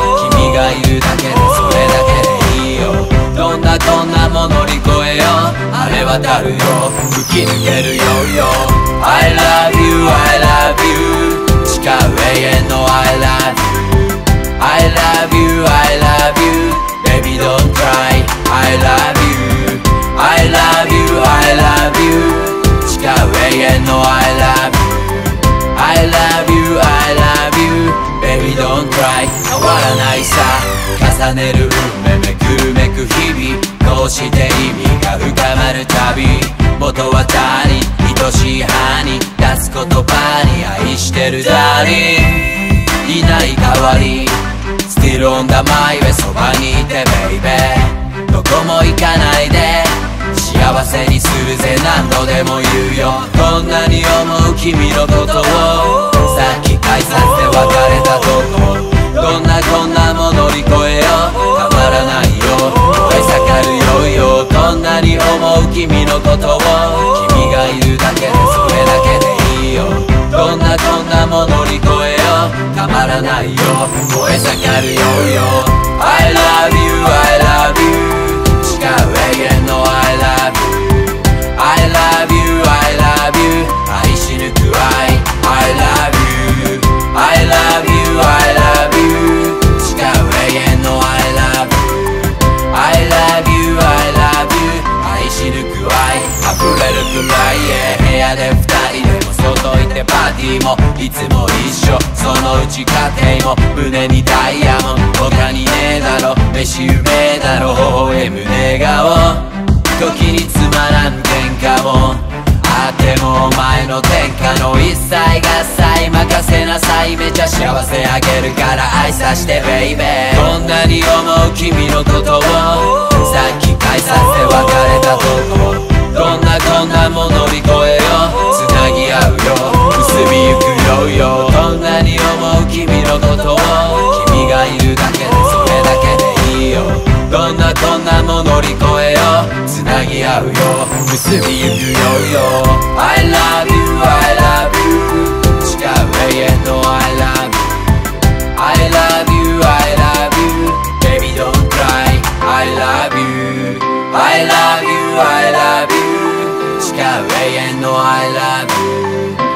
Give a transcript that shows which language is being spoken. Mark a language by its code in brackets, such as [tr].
[ja] 君がいるだけでそれだけでいいよ。どんなこんなも乗り越えよう。あれ渡るよ、吹き抜けるよよ。 [en] I love you, I love you. [ja] 誓う永遠の [en] I love you. I love you, I love you. Baby don't cry. I love you, I love you, I love you. [ja] 誓う永遠の [en] I love you. I love youBaby don't cry. [ja] 変わらないさ、重ねる運命、めくるめく日々。こうして意味が深まるたび、元は他人、愛しい派に出す言葉に、愛してるダーリン、いない代わり。 [en] Still on the my way、 [ja] そばにいて [en] baby、 [ja] どこも行かないで。幸せにするぜ何度でも言うよ。こんなに思う君のことを、さっき改札で別れたとこ、どんな困難も乗り越えよう。たまらないよ、燃え盛るよよ。こんなに思う君のことを、君がいるだけでそれだけでいいよ。どんな困難も乗り越えよう。たまらないよ、燃え盛るよよ。 [en] I love you, I love you. [ja] 誓う永遠の [en] I love you. I love you, I love you. [ja] 愛し抜く愛。 [en] I love youI love you, I love you. [ja] 誓う永遠の [en] I love you. I love you, I love you. [ja] 愛し抜く愛、溢れるくらい、yeah. 部屋で二人でも外行ってパーティーもいつも一緒。そのうち家庭も胸にダイヤモン。他にねえだろ、飯うめえだろ、微笑む笑顔。時につまらん喧嘩もあっても、お前の天下の一切合切任せなさい。めちゃ幸せあげるから愛さして [en] baby。 [ja] こんなに思う君のことを、さっき改札で別れたとこ、どんな困難も乗り越えよう。繋ぎ合うよ、結びゆくよよ。こんなに思う君のことを、君がいるだけでそれだけでいいよ。どんな困難も乗り越えよ、繋ぎ合うよ、結びゆくよよ。 [en] I love you, I love you. [ja] 誓う永遠の [en] I love you. I love you, I love you. Baby don't cry. I love you, I love you, I love you. [ja] 誓う永遠の [en] I love you.